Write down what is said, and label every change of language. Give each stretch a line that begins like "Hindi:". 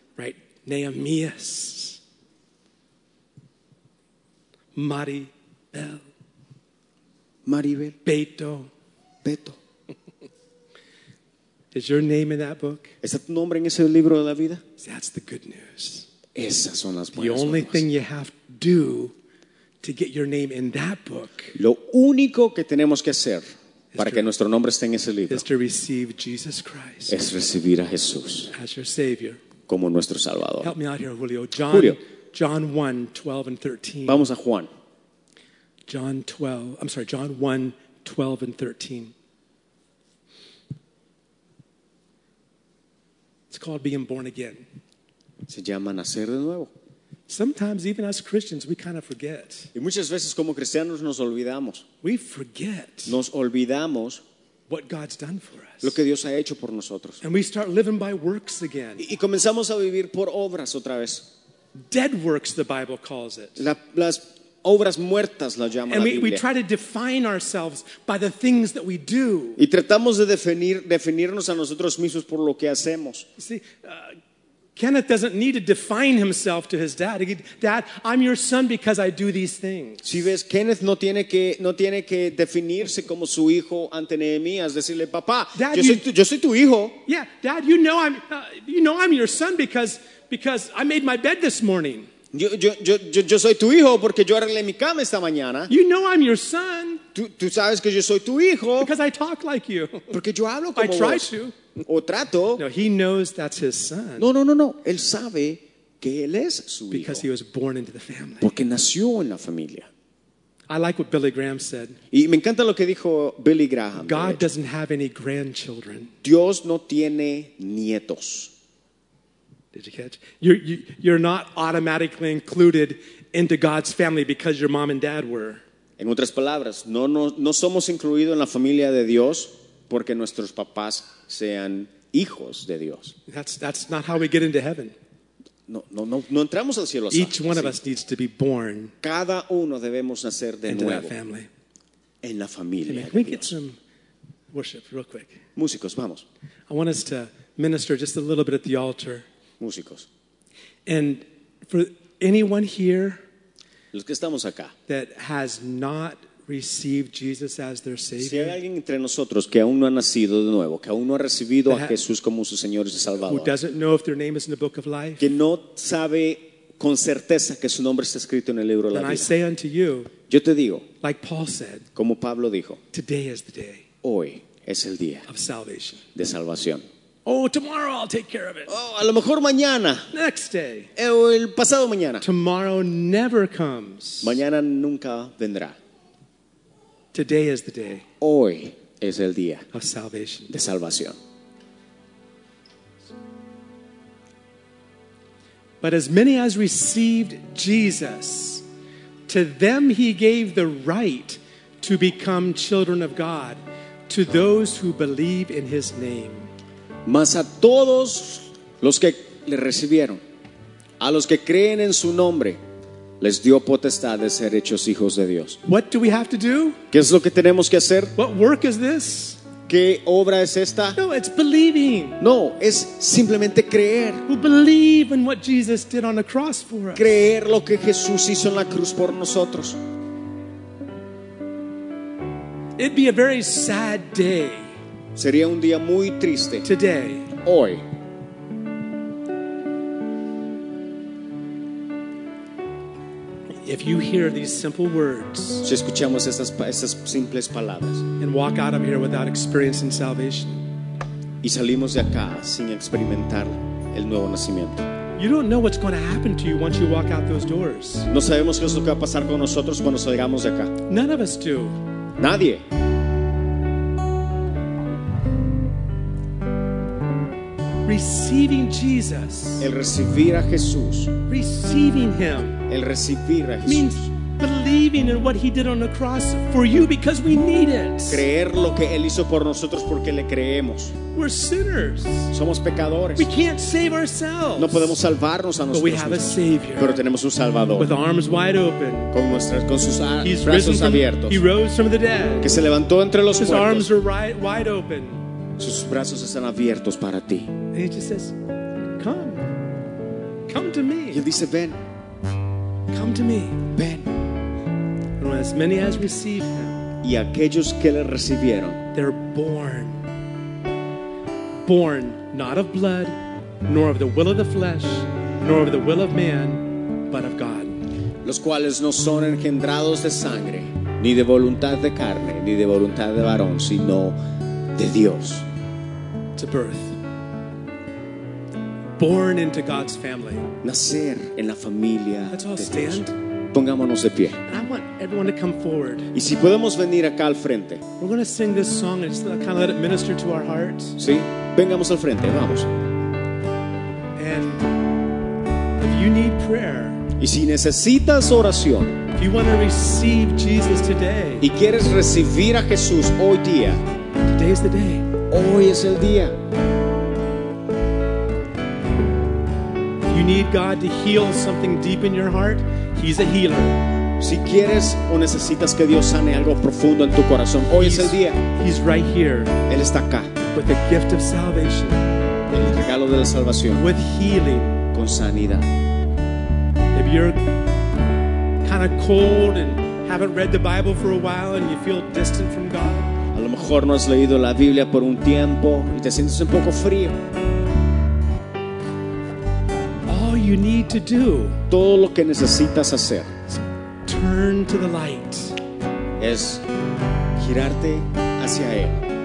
English: Right. Nehemías. Maribel. Maribel. Beto. Beto. Is your name in that book?
Spanish: ¿Está tu nombre en ese libro de la vida?
English: That's the good news.
Spanish: Esas son las buenas.
English: The only thing you have to do to get your name in that book.
Spanish: Lo único que tenemos que hacer para que nuestro nombre esté en ese libro.
English: Is to receive Jesus Christ.
Spanish: Es recibir a Jesús.
English: As your Savior.
Spanish: Como nuestro Salvador.
English: Help me out here, Julio. John 1:12-13.
Spanish: Vamos a Juan.
English: John 1:12-13. It's called being born again.
Spanish: Se llama nacer de nuevo.
English: Sometimes even as Christians we kind of forget.
Spanish: Y muchas veces como cristianos nos olvidamos.
English: We forget.
Spanish: Nos olvidamos.
English: What God's done for us.
Spanish: Lo que Dios ha hecho por nosotros.
English: And we start living by works again.
Spanish: Y comenzamos a vivir por obras otra vez.
English: Dead works, the Bible calls it.
Spanish: Las obras muertas la llama
English: and
Spanish: la
English: we,
Spanish: Biblia.
English: We try to define ourselves by the things that we do.
Spanish: Y tratamos de definirnos a nosotros mismos por lo que hacemos.
English: You see, Kenneth doesn't need to define himself to his dad. Dad, I'm your son because I do these things.
Spanish: Si ves, Kenneth no tiene que definirse como su hijo ante Nehemías, decirle, papá, dad, yo soy tu hijo.
English: Yeah, Dad, you know I'm your son because I made my bed this morning.
Spanish: Yo soy tu hijo porque yo arreglé mi cama esta mañana.
English: You know I'm your son.
Spanish: Tú sabes que yo soy tu hijo.
English: Because I talk like you.
Spanish: Porque yo hablo como
English: I try
Spanish: vos.
English: To.
Spanish: O trato.
English: No, he knows that's his son.
Spanish: No. Él sabe que él es su
English: because
Spanish: hijo.
English: Because he was born into the family.
Spanish: Porque nació en la familia.
English: I like what Billy Graham said.
Spanish: Y me encanta lo que dijo Billy Graham.
English: God doesn't have any grandchildren.
Spanish: Dios no tiene nietos.
English: Did you catch? You're not automatically included into God's family because your mom and dad were.
Spanish: En otras palabras, no somos incluidos en la familia de Dios porque nuestros papás sean hijos de Dios.
English: That's not how we get into heaven.
Spanish: No entramos al cielo.
English: Each one of us needs to be born.
Spanish: Cada uno debemos nacer de nuevo.
English: Into that family.
Spanish: En la familia.
English: Can we get some worship real quick?
Spanish: Músicos, vamos.
English: I want us to minister just a little bit at the altar.
Spanish: Músicos.
English: And for anyone here,
Spanish: los que estamos acá,
English: that has not received Jesus as their Savior,
Spanish: si hay alguien entre nosotros que aún no ha nacido de nuevo, que aún no ha recibido a Jesús como su Señor y Salvador,
English: who doesn't know if their name is in the book of life,
Spanish: que no sabe con certeza que su nombre está escrito en el libro de la vida,
English: then I say unto you,
Spanish: yo te digo,
English: like Paul said,
Spanish: como Pablo dijo,
English: today is the day,
Spanish: hoy es el día
English: of salvation,
Spanish: de salvación.
English: Oh, tomorrow I'll take care of it.
Spanish: Oh, a lo mejor mañana.
English: Next day.
Spanish: El pasado mañana.
English: Tomorrow never comes.
Spanish: Mañana nunca vendrá.
English: Today is the day.
Spanish: Hoy es el día.
English: Of salvation.
Spanish: De salvación.
English: But as many as received Jesus, to them he gave the right to become children of God, to those who believe in his name.
Spanish: Mas a todos los que le recibieron, a los que creen en su nombre, les dio potestad de ser hechos hijos de Dios.
English: What do we have to do?
Spanish: ¿Qué es lo que tenemos que hacer?
English: What work is this?
Spanish: ¿Qué obra es esta?
English: No, it's believing.
Spanish: No, es simplemente creer.
English: We believe in what Jesus did on the cross for us.
Spanish: Creer lo que Jesús hizo en la cruz por nosotros.
English: It'd be a very sad day.
Spanish: Sería un día muy triste.
English: Today,
Spanish: hoy.
English: If you hear these simple words,
Spanish: si escuchamos estas simples palabras,
English: and walk out of here without experiencing salvation,
Spanish: y salimos de acá sin experimentar el nuevo nacimiento,
English: you don't know what's going to happen to you once you walk out those doors.
Spanish: No sabemos qué es lo que va a pasar con nosotros cuando salgamos de acá.
English: None of us do.
Spanish: Nadie.
English: Receiving Jesus.
Spanish: El recibir a Jesús.
English: Receiving him.
Spanish: El recibir a Jesús.
English: Means believing in what he did on the cross for you because we need it.
Spanish: Creer lo que él hizo por nosotros porque le creemos.
English: We're sinners.
Spanish: Somos pecadores.
English: We can't save ourselves.
Spanish: No podemos salvarnos a nosotros mismos.
English: But we have a Savior.
Spanish: Pero tenemos un Salvador.
English: With arms wide open.
Spanish: Con sus brazos abiertos.
English: He rose from the dead.
Spanish: Que se levantó entre los muertos.
English: His arms are wide open.
Spanish: Sus brazos están abiertos para ti.
English: And he just says, come to me.
Spanish: Y él dice, ven.
English: Come to me.
Spanish: Ven.
English: And as many as receive him,
Spanish: y aquellos que le recibieron,
English: they're born not of blood, nor of the will of the flesh, nor of the will of man, but of God.
Spanish: Los cuales no son engendrados de sangre, ni de voluntad de carne, ni de voluntad de varón, sino de Dios.
English: It's a birth. Born into God's family.
Spanish: Nacer en la familia.
English: Let's all stand.
Spanish: Pongámonos de pie.
English: I want everyone to come forward.
Spanish: Y si podemos venir acá al frente.
English: We're going to sing this song and just kind of let it minister to our hearts.
Spanish: Sí, vengamos al frente, vamos.
English: And if you need prayer.
Spanish: Y si necesitas oración.
English: If you want to receive Jesus today.
Spanish: Y quieres recibir a Jesús hoy día.
English: Today is the day.
Spanish: Hoy es el día.
English: You need God to heal something deep in your heart. He's a healer.
Spanish: Si quieres o necesitas que Dios sane algo profundo en tu corazón, hoy es el día.
English: He's right here.
Spanish: Él está acá.
English: With the gift of salvation.
Spanish: El regalo de la salvación.
English: With healing.
Spanish: Con sanidad.
English: If you're kind of cold and haven't read the Bible for a while and you feel distant from God.
Spanish: A lo mejor no has leído la Biblia por un tiempo y te sientes un poco frío.
English: All you need to do.
Spanish: Todo lo que necesitas hacer.
English: Turn to the light.
Spanish: Es girarte hacia él.